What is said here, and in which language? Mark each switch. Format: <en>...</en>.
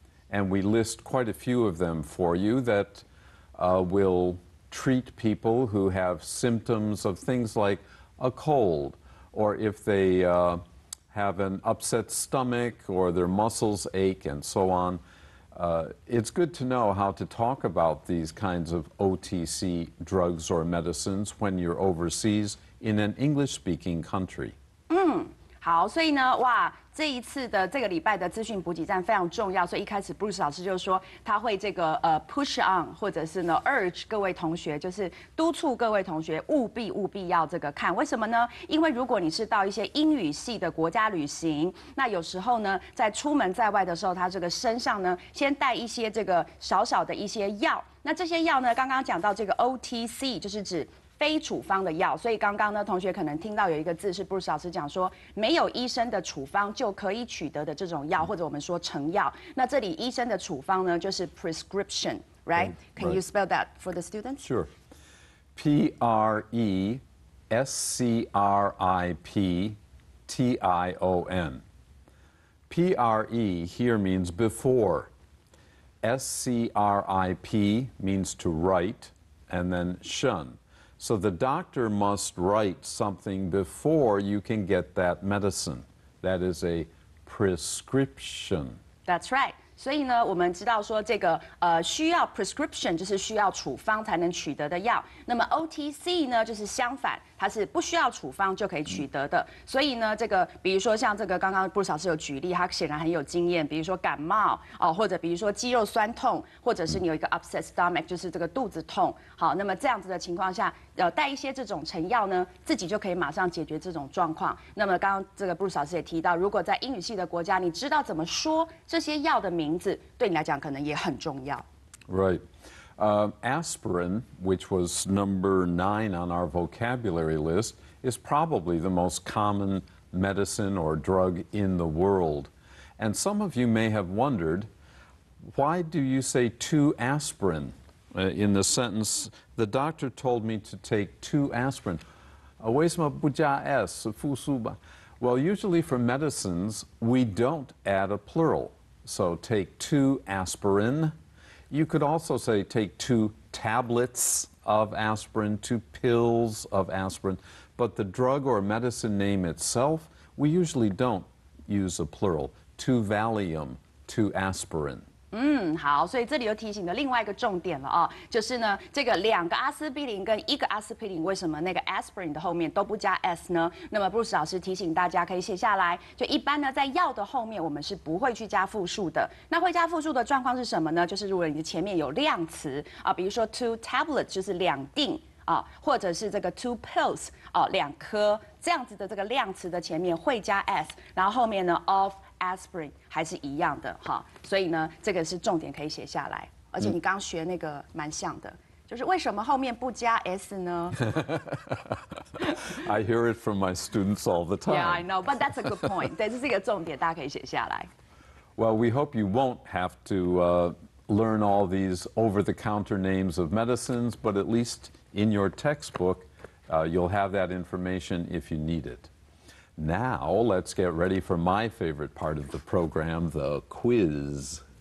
<en>And we list quite a few of them for you that will treat people who have symptoms of things like a cold, or if theyhave an upset stomach or their muscles ache and so on. It's good to know how to talk about these kinds of OTC drugs or medicines when you're overseas in an English-speaking country.</en> <zh>嗯，好，所以呢，哇，这一次的这个礼拜的资讯补给站非常重要，所以一开始 Bruce 老师就说他会这个</zh> <en>push on</en> <zh>或者是呢 urge 各位同学，就是督促各位同学务必务必要这个看。为什么呢？因为如果你是到一些英语系的国家旅行，那有时候呢在出门在外的时候，他这个身上呢先带一些这个小小的一些药，那这些药呢刚刚讲到这个 OTC 就是指非处方的药，所以刚刚呢，同学可能听到有一个字是 Bruce 老师讲说，没有医生的处方就可以取得的这种药，或者我们说成药。那这里医生的处方呢，就是 prescription, right?</zh> <en>Can you spell that for the students? Sure. P-R-E-S-C-R-I-P-T-I-O-N. P-R-E here means before. S-C-R-I-P means to write, and then shun. So the doctor must write something before you can get that medicine. That is a prescription. That's right.</en> <zh>所以呢，我们知道说这个需要 prescription 就是需要处方才能取得的药。那么 OTC 呢，就是相反，它是不需要处方就可以取得的。所以呢，这个比如说像这个刚刚布鲁斯老师有举例，他显然很有经验。比如说感冒或者比如说肌肉酸痛，或者是你有一个</zh> <en>upset stomach，</en> <zh>就是这个肚子痛。好，那么这样子的情况下，带一些这种成药呢，自己就可以马上解决这种状况。那么刚刚这个布鲁斯老师也提到，如果在英语系的国家，你知道怎么说这些药的名字，对你来讲可能也很重要。</zh> <en>Right. Aspirin, which was number 9 on our vocabulary list, is probably the most common medicine or drug in the world. And some of you may have wondered, why do you say 2 aspirin? In the sentence, the doctor told me to take 2 aspirin.</en> <zh>为什么不加 S, 复数吧?</zh> <en>Well, usually for medicines, we don't add a plural. So take 2 aspirin. You could also say take 2 tablets of aspirin, 2 pills of aspirin. But the drug or medicine name itself, we usually don't use a plural. 2 Valium, 2 aspirin.</en> <zh>嗯，好，所以这里又提醒了另外一个重点了就是呢，这个两个阿司匹林跟一个阿司匹林，为什么那个 aspirin 的后面都不加 s 呢？那么 Bruce 老师提醒大家可以写下来，就一般呢，在药的后面我们是不会去加复数的。那会加复数的状况是什么呢？就是如果你前面有量词比如说</zh> <en>2 tablets</en> <zh>就是两锭或者是这个</zh> <en>2 pills</en> <zh>两颗这样子的这个量词的前面会加 s， 然后后面呢 of。 Aspirin 还是一样的哈，所以呢，这个是重点可以写下来。而且你刚学那个蛮像的，就是为什么后面不加 S 呢</zh> <en>？I hear it from my students all the time. Yeah, I know, but that's a good point.</en> <zh>对，这是一个重点，大家可以写下来。</zh> <en>Well, we hope you won't have to learn all these over-the-counter names of medicines, but at least in your textbook, you'll have that information if you need it. Now, let's get ready for my favorite part of the program, the quiz.</en>